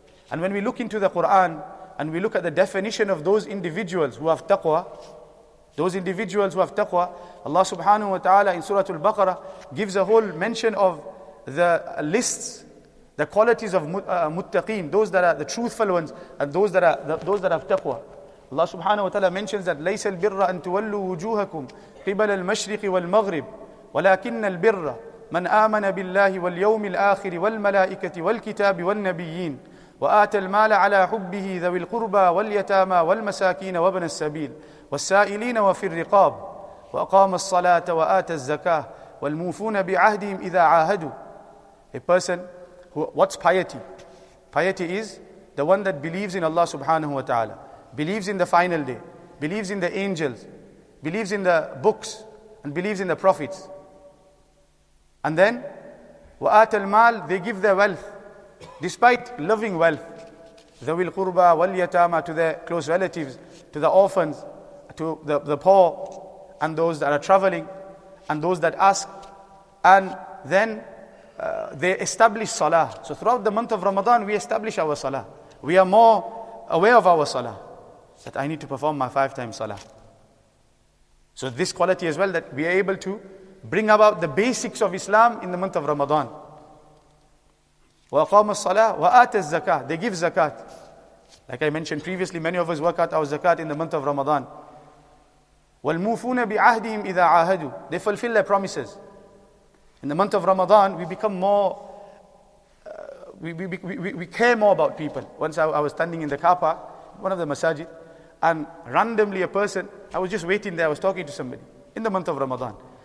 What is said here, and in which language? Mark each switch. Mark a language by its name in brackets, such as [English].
[English] And when we look into the Quran, and we look at the definition of those individuals who have taqwa, Allah subhanahu wa ta'ala in Surah Al-Baqarah gives a whole mention of the lists, the qualities of muttaqeen, those that are the truthful ones, and those that have taqwa. Allah subhanahu wa ta'ala mentions that [Arabic] لَيْسَ الْبِرَّ أَن تُوَلُّوا وُجُوهَكُمْ قِبَلَ الْمَشْرِقِ وَالْمَغْرِبِ وَلَكِنَّ الْبِرَّ مَنْ آمَنَ بِاللَّهِ وَالْيَوْمِ الْآخِرِ وَالْمَلَائِكَةِ وَالْكِتَابِ وَالنَّبِيِّينَ وَآتَى الْمَالَ عَلَى حُبِّهِ ذَوِي الْقُرْبَى وَالْيَتَامَى وَالْمَسَاكِينَ وَابْنَ السَّبِيلِ وَالسَّائِلِينَ وَفِي الرِّقَابِ وَأَقَامَ الصَّلَاةَ وَآتَى الزَّكَاةَ وَالْمُوفُونَ بِعَهْدِهِمْ إِذَا عَاهَدُوا. [English] A person what's piety? Piety is the one that believes in Allah subhanahu wa ta'ala, believes in the final day, believes in the angels, believes in the books, and believes in the prophets. And then, [Arabic] وَآتَى الْمَالِ, [English] they give their wealth, despite loving wealth, [Arabic] ذَوِي الْقُرْبَى وَالْيَتَامَى, [English] to their close relatives, to the orphans, to the poor, and those that are traveling, and those that ask. And then, they establish salah. So throughout the month of Ramadan, we establish our salah. We are more aware of our salah, that I need to perform my 5-time salah. So this quality as well, that we are able to bring about the basics of Islam in the month of Ramadan. [Arabic] وَأَقَامُ الصَّلَاةِ وَآتَ الزَّكَاةِ, [English] they give zakat. Like I mentioned previously, many of us work out our zakat in the month of Ramadan. [Arabic] وَالْمُوفُونَ بِعَهْدِهِمْ إِذَا عَاهَدُوا, [English] they fulfill their promises. In the month of Ramadan, we become more, we care more about people. Once I was standing in the car park, one of the masajid, and randomly a person, I was just waiting there, I was talking to somebody in the month of Ramadan.